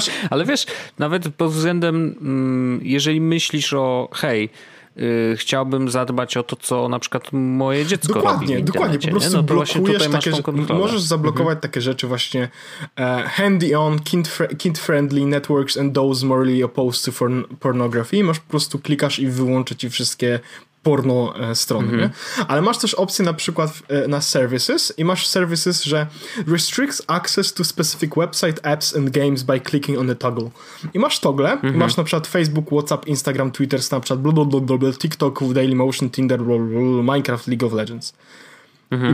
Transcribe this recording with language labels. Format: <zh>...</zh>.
<pl>Ale wiesz, nawet pod względem, jeżeli myślisz o, hej, chciałbym zadbać o to, co na przykład moje dziecko dokładnie, robi. Dokładnie, dokładnie. Po prostu no blokujesz takie rzeczy. Możesz zablokować takie rzeczy właśnie.</pl> <en>Handy on, kid-friendly networks and those morally opposed to pornography.</en> <pl>Masz po prostu klikasz i wyłączy ci wszystkie porno strony. Mm-hmm. Nie? Ale masz też opcję na przykład na services i masz services, że</pl> <en>restricts access to specific website, apps and games by clicking on the toggle.</en> <pl>I masz toggle, i masz na przykład Facebook, WhatsApp, Instagram, Twitter, Snapchat, blablabla, TikTok, Dailymotion, Tinder, blablabla, Minecraft, League of Legends. Mm-hmm.</pl>